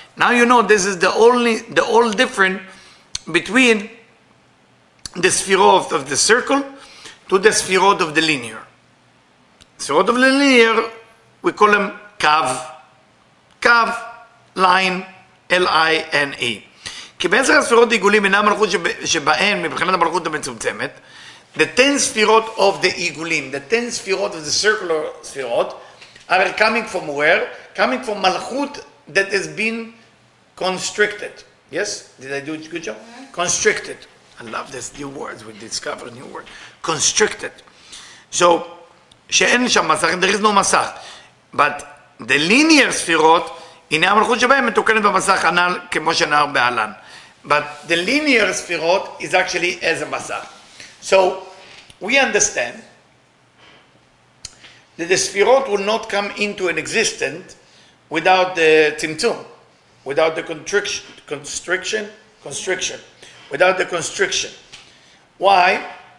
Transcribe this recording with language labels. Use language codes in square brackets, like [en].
[en] Now you know this is the only difference between the sfirot of the circle to the sfirot of the linear. Sfirot of the linear, we call them kav, line, L-I-N-E. [he] כי בעשר הספירות העיגולים אינה מלכות שבהן, מבחינת המלכות המצומצמת, [en] the 10 ספירות of the עיגולים, the 10 ספירות of the circular ספירות, are coming from where? Coming from מלכות that has been constricted. Yes? Did I do a good job? Constricted. I love this new words. We discover new word. Constricted. So, [he] שאין שם מסך, [en] there is no מסך. But the linear [he] ספירות, הנה המלכות שבהם מתוקנת במסך הנ"ל כמו שנאמר באלן. [en] But the linear ספירות is actually as a מסך. So we understand that the ספירות will not come into an existence without the צמצום, without the constriction, without the constriction. Why?